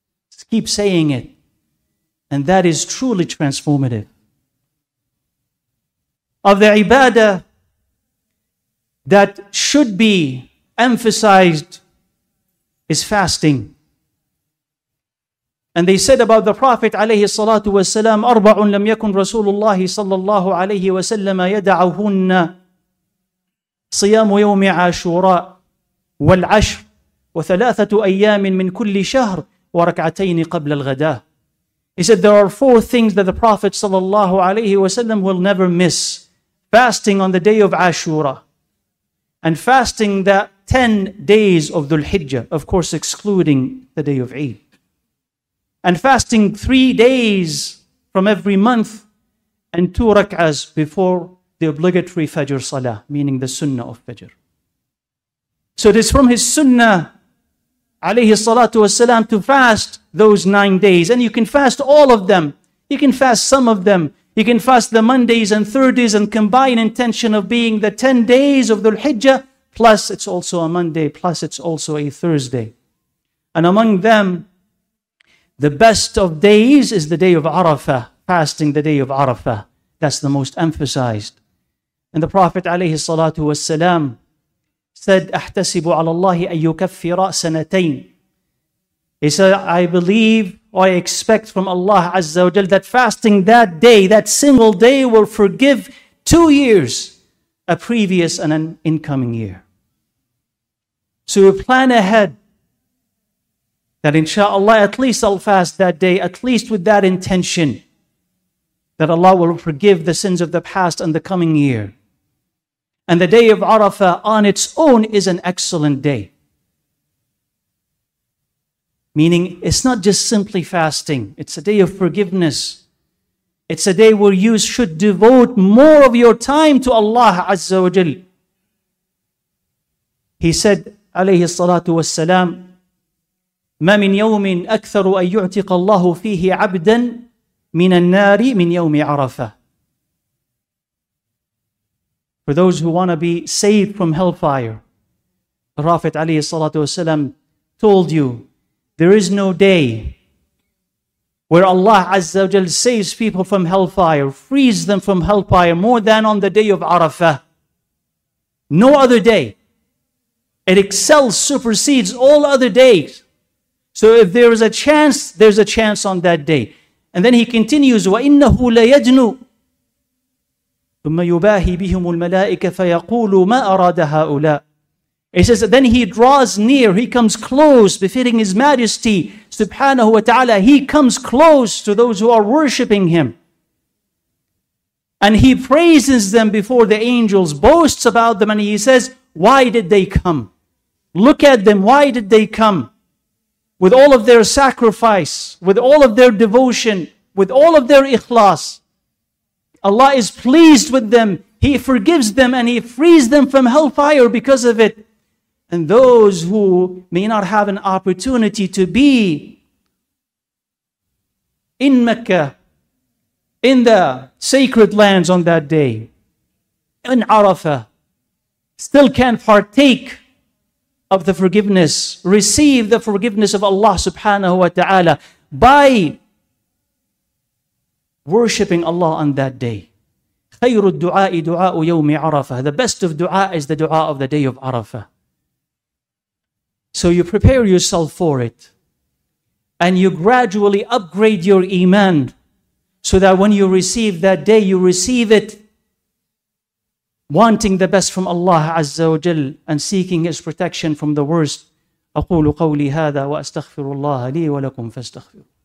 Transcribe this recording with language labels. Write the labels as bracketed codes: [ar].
[en] Just keep saying it. And that is truly transformative. Of the ibadah that should be emphasized is fasting. And they said about the Prophet [ar] عليه الصلاة والسلام, أربع لم يكن رسول الله صلى الله عليه وسلم يدعهن صيام يوم عاشوراء والعشر وثلاثة أيام من كل شهر وركعتين قبل الغداء. [en] He said there are four things that the Prophet [ar] صلى الله عليه وسلم [en] will never miss. Fasting on the day of Ashura, and fasting the 10 days of Dhul Hijjah, of course excluding the day of Eid. And fasting 3 days from every month, and 2 rak'ahs before the obligatory Fajr Salah, meaning the Sunnah of Fajr. So it is from his Sunnah, alayhi salatu wasalam, to fast those 9 days. And you can fast all of them, you can fast some of them. You can fast the Mondays and Thursdays and combine intention of being the 10 days of Dhul Hijjah, plus it's also a Monday, plus it's also a Thursday. And among them, the best of days is the day of Arafah, fasting the day of Arafah. That's the most emphasized. And the Prophet [ar] عليه الصلاة والسلام [en] said, [ar] أحتسب على الله أن يكفر سنتين. [en] He said, I believe, or I expect from Allah Azza wa Jal that fasting that day, that single day, will forgive 2 years, a previous and an incoming year. So we plan ahead that inshallah, at least I'll fast that day, at least with that intention, that Allah will forgive the sins of the past and the coming year. And the day of Arafah on its own is an excellent day. Meaning, it's not just simply fasting. It's a day of forgiveness. It's a day where you should devote more of your time to Allah Azza wa Jal. He said, [ar] alayhi salatu wassalam, مَا مِنْ يَوْمٍ أَكْثَرُ أَن يُعْتِقَ اللَّهُ فِيهِ عَبْدًا مِنَ النَّارِ مِنْ يَوْمِ عَرَفَةٍ. [en] For those who want to be saved from hellfire, the Prophet alayhi salatu wassalam told you, there is no day where Allah Azza wa Jal saves people from hellfire, frees them from hellfire more than on the day of Arafah. No other day. It excels, supersedes all other days. So if there is a chance, there's a chance on that day. And then he continues, [ar] وَإِنَّهُ لَيَجْنُ ثُمَّ يُبَاهِ بِهِمُ الْمَلَائِكَ فَيَقُولُ مَا أَرَادَ هَؤُلَاءِ. [en] He says, then he draws near, he comes close, befitting His Majesty, subhanahu wa ta'ala, he comes close to those who are worshipping Him. And he praises them before the angels, boasts about them, and he says, why did they come? Look at them, why did they come? With all of their sacrifice, with all of their devotion, with all of their ikhlas, Allah is pleased with them, He forgives them, and He frees them from hellfire because of it. And those who may not have an opportunity to be in Mecca, in the sacred lands on that day, in Arafah, still can partake of the forgiveness, receive the forgiveness of Allah subhanahu wa ta'ala by worshipping Allah on that day. [ar] خير الدعاء دعاء يوم عرفة. [en] The best of dua is the dua of the day of Arafah. So you prepare yourself for it. And you gradually upgrade your iman so that when you receive that day, you receive it wanting the best from Allah Azza wa Jal and seeking His protection from the worst. [ar] أقول قولي هذا وأستغفر الله لي ولكم فاستغفروا.